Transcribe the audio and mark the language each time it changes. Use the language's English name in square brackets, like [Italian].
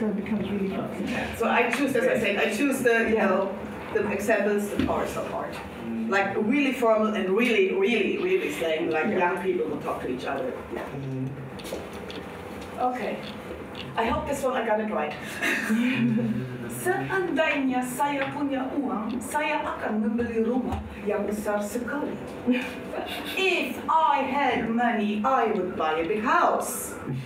[English] So it becomes really fun. So I choose, as I said, I choose the, you know, the examples that are so hard. Like really formal and really, really, really slang, like young people will talk to each other. Yeah. Okay. I hope this one I got it right. [Indonesian] Seandainya saya punya uang, saya akan membeli rumah yang besar sekali. [English] If I had money, I would buy a big house.